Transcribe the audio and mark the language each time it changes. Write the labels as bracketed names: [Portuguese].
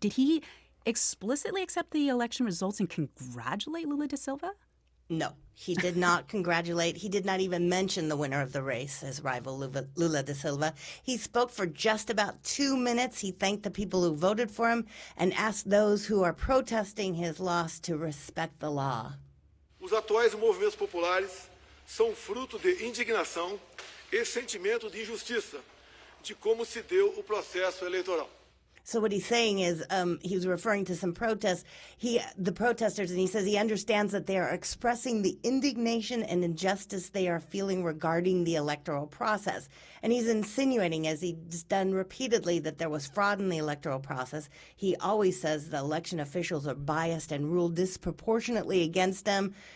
[English] Did he explicitly accept the election results and congratulate Lula da Silva? No, he did not congratulate. He did not even mention the winner of the race, his rival Lula da Silva. He spoke for just about 2 minutes. He thanked the people who voted for him and asked those who are protesting his loss to respect the law. [Portuguese] Os atuais movimentos populares são fruto de indignação e sentimento de injustiça de como se deu o processo eleitoral. [English] So what he's saying is, he was referring to some protests. The protesters, and he says he understands that they are expressing the indignation and injustice they are feeling regarding the electoral process. And he's insinuating, as he's done repeatedly, that there was fraud in the electoral process. He always says the election officials are biased and rule disproportionately against them.